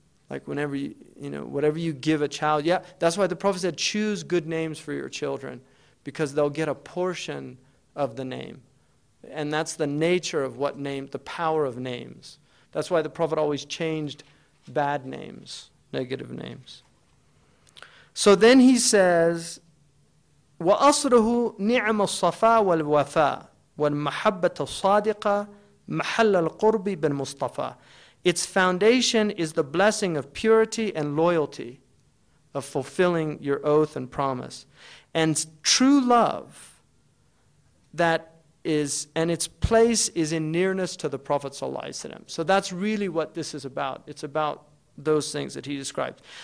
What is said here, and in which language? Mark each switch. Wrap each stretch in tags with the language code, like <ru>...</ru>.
<en>Like whenever whatever you give a child. Yeah, that's why the Prophet said, choose good names for your children, because they'll get a portion of the name. And that's the nature of what name, the power of names. That's why the Prophet always changed bad names, negative names. So then he says,</en> <ar>وَأَصْرُهُ نِعْمُ الصَّفَى وَالْوَفَى وَالْمَحَبَّةُ الصَّادِقَى مَحَلَّ الْقُرْبِ بِالْمُصْطَفَى.</ar> <en>Its foundation is the blessing of purity and loyalty, of fulfilling your oath and promise. And true love that is, and its place is in nearness to the Prophet ﷺ. So that's really what this is about. It's about those things that he describes.</en>